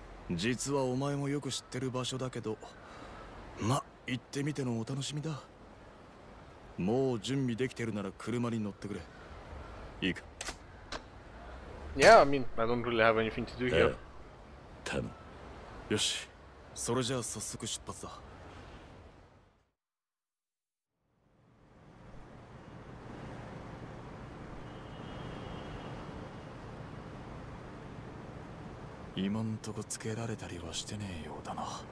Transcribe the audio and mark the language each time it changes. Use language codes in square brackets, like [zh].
[ja] 実はお前もよく知ってる場所だけど、ま、行ってみてのお楽しみだ。もう準備できてるなら車に乗ってくれ。いいか? [en] Yeah, I mean, I don't really have anything to do here. [ja] 頼む。よし、それじゃあ早速出発だ。今んとこつけられたりはしてねえようだな。